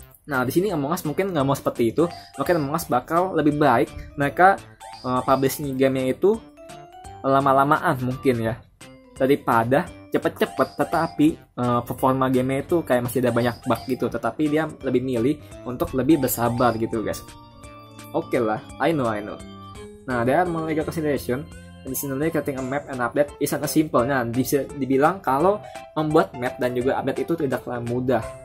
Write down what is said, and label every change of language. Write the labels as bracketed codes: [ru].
[id] Nah, di sini Among Us mungkin nggak mau seperti itu. Mungkin Among Us bakal lebih baik mereka publishing game-nya itu lama-lamaan mungkin ya, daripada cepet-cepet tetapi performa game itu kayak masih ada banyak bug gitu. Tetapi dia lebih milih untuk lebih bersabar gitu guys. [en] Oke lah, I know. Nah, there are more legal consideration. Additionally, creating a map and update isn't as simple. [id] Nah, dibilang kalau membuat map dan juga update itu tidaklah mudah.